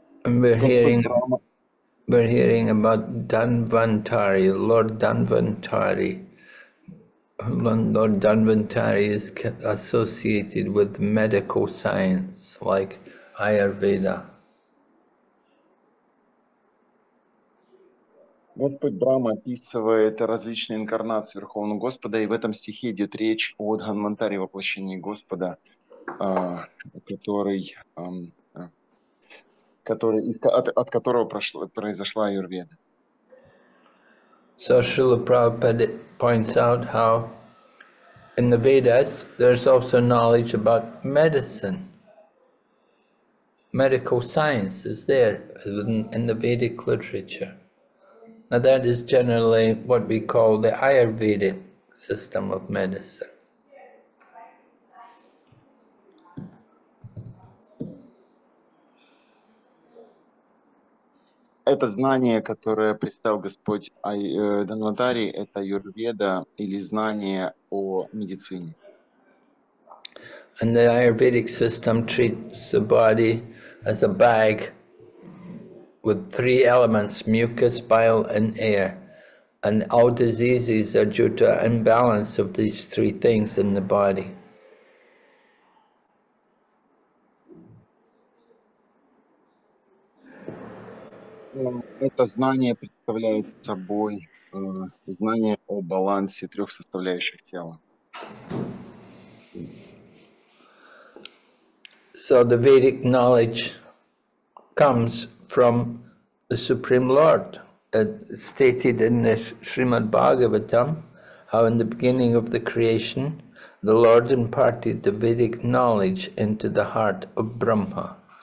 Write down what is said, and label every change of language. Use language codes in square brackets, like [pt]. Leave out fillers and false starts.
[en] We're hearing about Dhanvantari, Lord Dhanvantari. Lord Dhanvantari is associated with medical science like Ayurveda. [ru] Вот Брама описывает различные инкарнации Верховного Господа, и в этом стихе идет речь о Дханвантаре, воплощении Господа, от которого произошла Аюрведа. [en] So Srila Prabhupada points out how in the Vedas there's also knowledge about medicine. Medical science is there in the Vedic literature. Now that is generally what we call the Ayurvedic system of medicine. [ru] Это знание, которое представил Господь Данватари, это Аюрведа или знание о медицине. [en] And the Ayurvedic system treats the body as a bag with three elements, mucus, bile, and air. And all diseases are due to imbalance of these three things in the body. [ru] Это знание представляет собой знание о балансе трех составляющих тела. [en] So the Vedic knowledge comes from the Supreme Lord. It's stated in the Srimad Bhagavatam how in the beginning of the creation the Lord imparted the Vedic knowledge into the heart of Brahma.